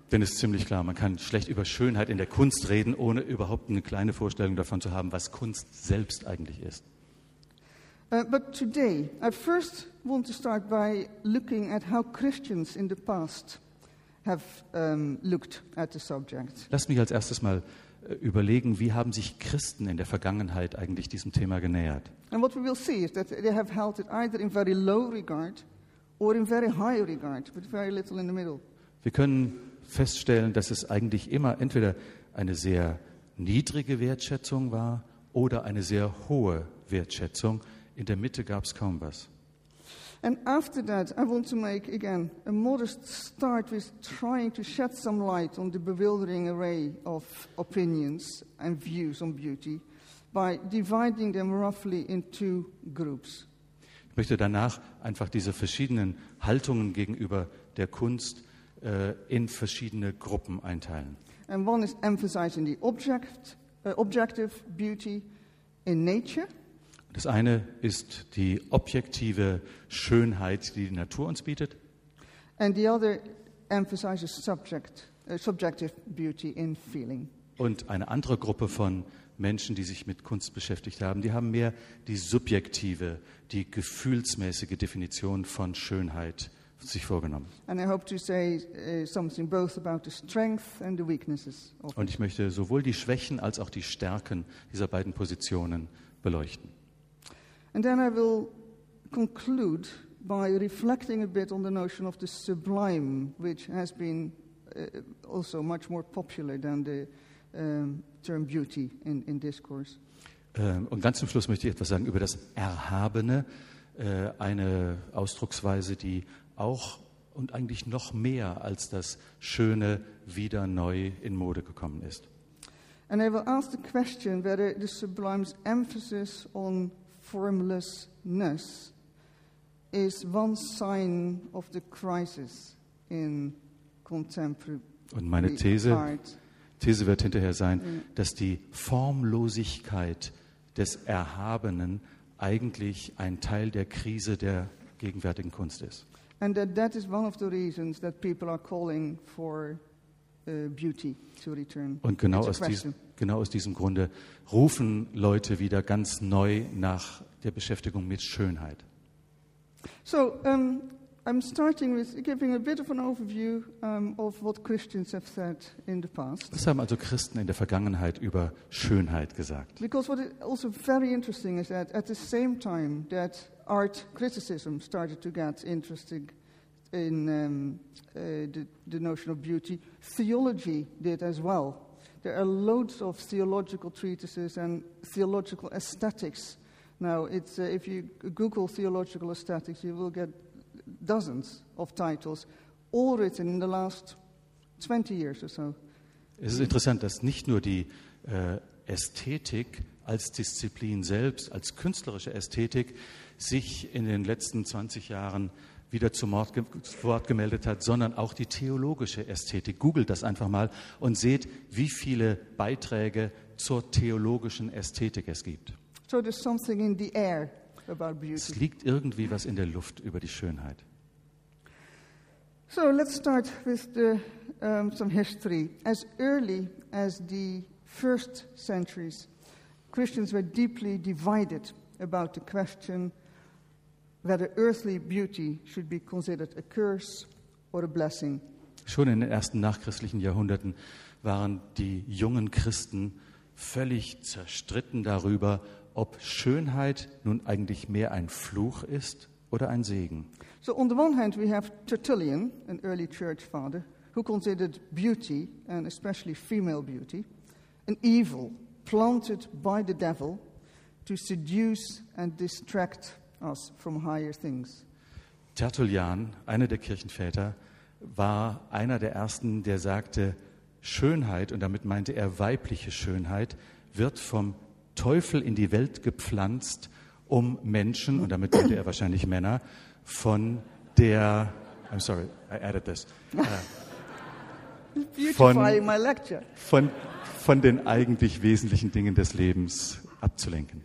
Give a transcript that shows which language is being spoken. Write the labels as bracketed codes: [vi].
[de] Denn es ist ziemlich klar, man kann schlecht über Schönheit in der Kunst reden, ohne überhaupt eine kleine Vorstellung davon zu haben, was Kunst selbst eigentlich ist. [en] But today, I first want to start by looking at how Christians in the past have looked at the subject. [de] Lass mich als erstes mal überlegen, wie haben sich Christen in der Vergangenheit eigentlich diesem Thema genähert? [en] And what we will see is that they have held it either in very low regard or in very high regard, but very little in the middle. [de] Wir können feststellen, dass es eigentlich immer entweder eine sehr niedrige Wertschätzung war oder eine sehr hohe Wertschätzung. In der Mitte gab es kaum was. [en] And after that, I want to make again a modest start with trying to shed some light on the bewildering array of opinions and views on beauty by dividing them roughly in two groups. [de] Ich möchte danach einfach diese verschiedenen Haltungen gegenüber der Kunst in verschiedene Gruppen einteilen. [en] And one is emphasizing the objective beauty in nature. [de] Das eine ist die objektive Schönheit, die die Natur uns bietet. [en] And the other emphasizes subjective beauty in feeling. [de] Und eine andere Gruppe von Menschen, die sich mit Kunst beschäftigt haben, die haben mehr die subjektive, die gefühlsmäßige Definition von Schönheit sich vorgenommen. [en] And I hope to say something both about the strength and the weaknesses of it. [de] Und ich möchte sowohl die Schwächen als auch die Stärken dieser beiden Positionen beleuchten. [en] And then I will conclude by reflecting a bit on the notion of the sublime, which has been also much more popular than the term beauty in discourse. [de] Und ganz zum Schluss möchte ich etwas sagen über das Erhabene, eine Ausdrucksweise, die auch und eigentlich noch mehr als das Schöne wieder neu in Mode gekommen ist. [en] And I will ask the question whether the sublime's emphasis on formlessness is one sign of the crisis in contemporary art. [de] Und meine These wird hinterher sein, dass die Formlosigkeit des Erhabenen eigentlich ein Teil der Krise der gegenwärtigen Kunst ist. [en] And that is one of the reasons that people are calling for beauty to return. [de] Und genau aus diesem Grunde rufen Leute wieder ganz neu nach der Beschäftigung mit Schönheit. [en] So, I'm starting with giving a bit of an overview of what Christians have said in the past. [de] Was haben also Christen in der Vergangenheit über Schönheit gesagt? [en] Because what is also very interesting is that at the same time that art criticism started to get interesting in the notion of beauty, theology did as well. There are loads of theological treatises and theological aesthetics. Now, it's if you Google theological aesthetics, you will get dozens of titles, all written in the last 20 years or so. [de] Es ist interessant, dass nicht nur die Ästhetik als Disziplin selbst, als künstlerische Ästhetik, sich in den letzten 20 Jahren wieder zu Wort gemeldet hat, sondern auch die theologische Ästhetik. Googelt das einfach mal und seht, wie viele Beiträge zur theologischen Ästhetik es gibt. [en] So there's something in the air about beauty. [de] Es liegt irgendwie was in der Luft über die Schönheit. [en] So let's start with some history. As early as the first centuries, Christians were deeply divided about the question whether earthly beauty should be considered a curse or a blessing. [de] Schon in den ersten nachchristlichen Jahrhunderten waren die jungen Christen völlig zerstritten darüber, ob Schönheit nun eigentlich mehr ein Fluch ist oder ein Segen. [en] So on the one hand we have Tertullian, an early church father, who considered beauty, and especially female beauty, an evil planted by the devil to seduce and distract us from higher things. [de] Tertullian, einer der Kirchenväter, war einer der Ersten, der sagte, Schönheit, und damit meinte er weibliche Schönheit, wird vom Teufel in die Welt gepflanzt, um Menschen, und damit meinte er wahrscheinlich Männer, von den eigentlich wesentlichen Dingen des Lebens abzulenken.